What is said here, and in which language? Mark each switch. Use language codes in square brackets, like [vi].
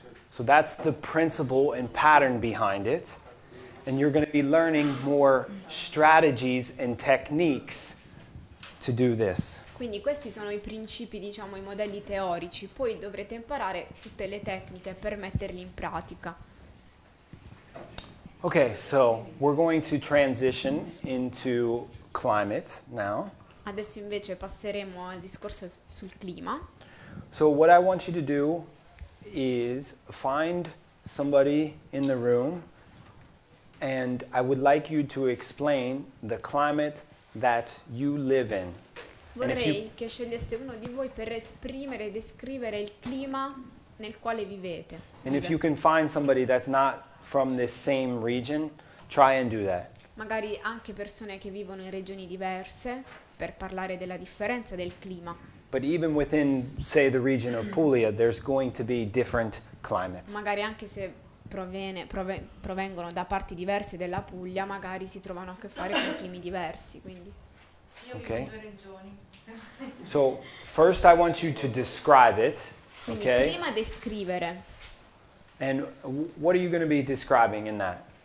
[en] So that's the principle and pattern behind it, and you're going to be learning more strategies and techniques to do this. [it] Quindi questi sono i principi, diciamo, i modelli teorici, poi dovrete imparare tutte le tecniche per metterli in pratica. [en] Okay, so we're going to transition into climate now. [it] Adesso invece passeremo al discorso sul clima. [en] So what I want you to do is find somebody in the room and I would like you to explain the climate that you live in. [it] Vorrei che sceglieste uno di voi per esprimere e descrivere il clima nel quale vivete. [en] And if you can find somebody that's not from this same region, try and do that. [it] Magari anche persone che vivono in regioni diverse per parlare della differenza del clima. [en] But even within, say, the region of Puglia, there's going to be different climates. [it] Magari anche se provengono da parti diverse della Puglia, magari si trovano a che fare con climi diversi, quindi. [en] Okay. [it] Io vivo in due regioni. [en] So, first I want you to describe it, okay? [it] Quindi prima descrivere. [en] And what are you going to be describing in that?